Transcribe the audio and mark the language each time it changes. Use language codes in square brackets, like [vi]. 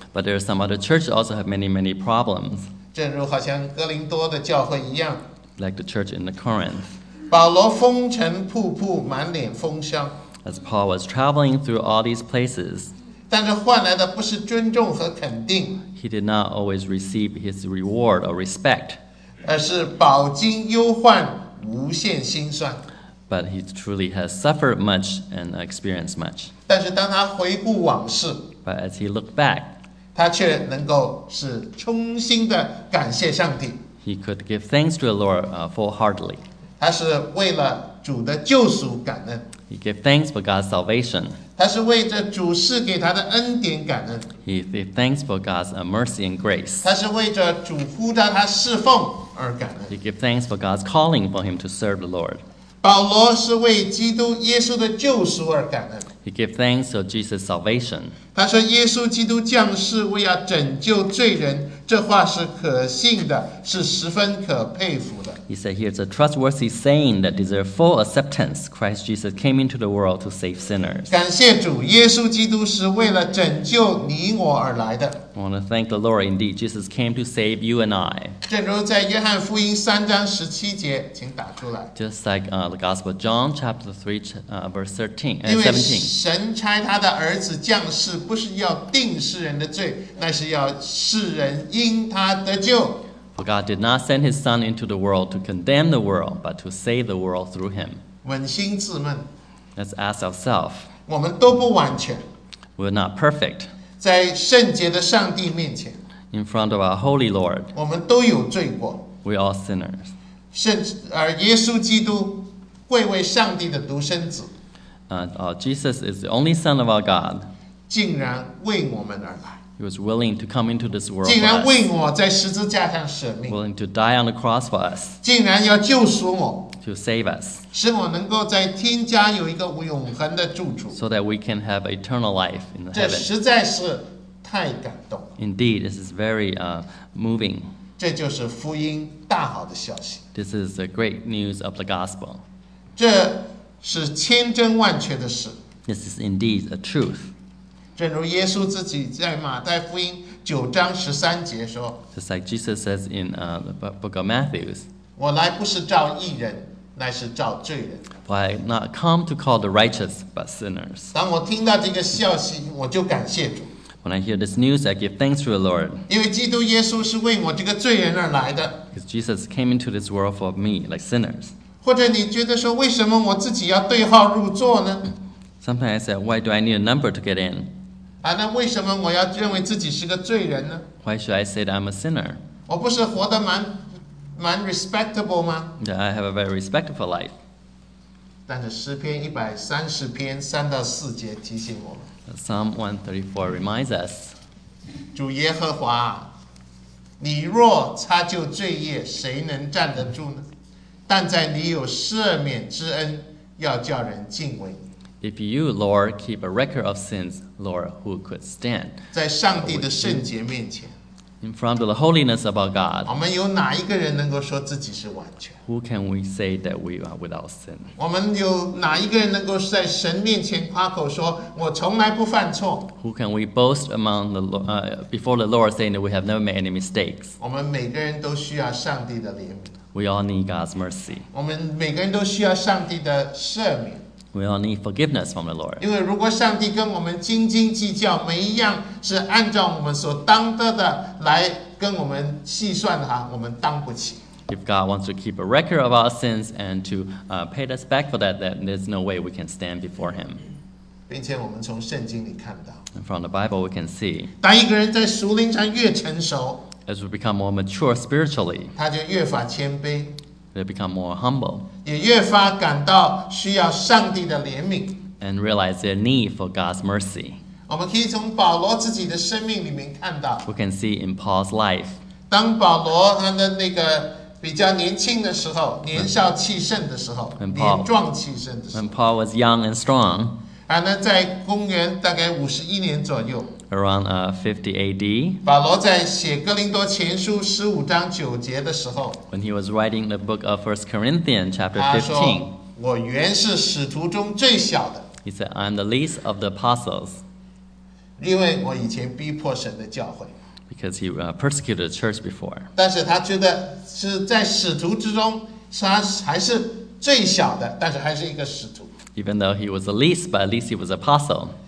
[en] But there are some other churches also have many, many problems. [zh] 正如好像哥林多的教会一样。 [en] Like the church in the Corinth. [zh] 保罗风尘仆仆，满脸风霜。 [en] As Paul was traveling through all these places, [zh] 但是换来的不是尊重和肯定。 [en] He did not always receive his reward or respect. [zh] 而是饱经忧患，无限辛酸。 [en] But he truly has suffered much and experienced much. [zh] 但是当他回顾往事, [en] but as he looked back, [zh] 他却能够是衷心地感谢上帝。 [en] He could give thanks to the Lord full-heartedly. [zh] 他是为了主的救赎感恩。 [en] He gave thanks for God's salvation. [zh] 他是为着主赐给他的恩典感恩。 [en] He gave thanks for God's mercy and grace. [zh] 他是为着主呼召他侍奉而感恩。 [en] He gave thanks for God's calling for him to serve the Lord. [zh] 保罗是为基督耶稣的救赎而感恩。 [en] He gave thanks for Jesus' salvation. [zh] 他说耶稣基督降世为要拯救罪人，这话是可信的，是十分可佩服的。 [en] He said here's a trustworthy saying that deserves full acceptance. Christ Jesus came into the world to save sinners. [zh] 感谢主，耶稣基督是为了拯救你我而来的。 [en] I want to thank the Lord indeed. Jesus came to save you and I. [zh] 正如在约翰福音三章十七节，请打出来。 [en] Just like the Gospel of John chapter 3 verse 17. [zh] 因为神差他的儿子降世，不是要定世人的罪，乃是要世人因他得救。 [en] For God did not send his son into the world to condemn the world, but to save the world through him. [zh] 扪心自问。 [en] Let's ask ourselves. [zh] 我们都不完全。 [en] We're not perfect. [zh] 在圣洁的上帝面前。 [en] In front of our holy Lord. [zh] 我们都有罪过。 [en] We're all sinners. [zh] 甚至而耶稣基督贵为上帝的独生子。 [en] Jesus is the only son of our God. [zh] 竟然为我们而来。 [en] He was willing to come into this world us. Willing to die on the cross for us. [zh] 竟然要救赎我, [en] to save us. [zh] 使我能够在天家有一个永恒的住处, [en] so that we can have eternal life in the heaven. [zh] 这实在是太感动。 [en] Indeed, this is very moving. [zh] 这就是福音大好的消息。 [en] This is the great news of the gospel. [zh] 这是千真万确的事。 [en] This is indeed a truth. [zh] 正如耶稣自己在马太福音九章十三节说 [en] ，Just like Jesus says in the book of Matthew, [zh] 我来不是召义人，乃是召罪人。 [en] For I not come to call the righteous but sinners. [zh] 当我听到这个消息，我就感谢主。 [en] When I hear this news, I give thanks to the Lord. [zh] 因为基督耶稣是为我这个罪人而来的。 [en] Because Jesus came into this world for me, like sinners. [zh] 或者你觉得说，为什么我自己要对号入座呢 [en] ？Sometimes I say, why do I need a number to get in? [zh] 那为什么我要认为自己是个罪人呢 [en] ？Why should I say that I'm a sinner？ [zh] 我不是活得蛮 respectable 吗 [en] ？Yeah, I have a very respectful life. [zh] 但是诗篇一百三十篇三到四节提醒我们。 [en] Psalm 134 reminds us. [zh] 主耶和华，你若擦旧罪业，谁能站得住呢？但在你有赦免之恩，要叫人敬畏。 [en] If you, Lord, keep a record of sins, Lord, who could stand? [zh] 在上帝的圣洁面前 [en] In front of the holiness of our God, [zh] 我们有哪一个人能够说自己是完全 [en] Who can we say that we are without sin? [zh] 我们有哪一个人能够在神面前夸口说我从来不犯错 [en] Who can we boast among the before the Lord saying that we have never made any mistakes? [zh] 我们每个人都需要上帝的怜悯 [en] We all need God's mercy. [zh] 我们每个人都需要上帝的赦免 [en] We all need forgiveness from the Lord. [zh] 因为如果上帝跟我们斤斤计较，每一样是按照我们所当得的来跟我们计算的话，我们当不起。 [en] If God wants to keep a record of our sins and to pay us back for that, then there's no way we can stand before Him. [zh] 并且我们从圣经里看到。 [en] And from the Bible, we can see. [zh] 当一个人在属灵上越成熟 [en] ，as we become more mature spiritually, [zh] 他就越发谦卑。 [en] They become more humble. [zh] 也越发感到需要上帝的怜悯。 [en] And realize their need for God's mercy. [zh] 我们可以从保罗自己的生命里面看到。 [en] We can see in Paul's life. [zh] 当保罗他的那个比较年轻的时候，年少气盛的时候，年壮气盛的时候。 [en] When Paul was young and strong. [zh] 在公元大概五十一年左右。 [en] Around 50 AD, [zh] 保罗在写哥林多前书十五章九节的时候 [en] ，When he was writing the book of 1 Corinthians chapter 15, [zh] 他说："我原是使徒中最小的。 [en] "He said, "I'm the least of the apostles." [zh] 因为我以前逼迫神的教会。 [en] Because he persecuted the church before. [zh] 但是他觉得是在使徒之中，他还是最小的，但是还是一个使徒。 [en] Even though he was the least, but at least he was apostle.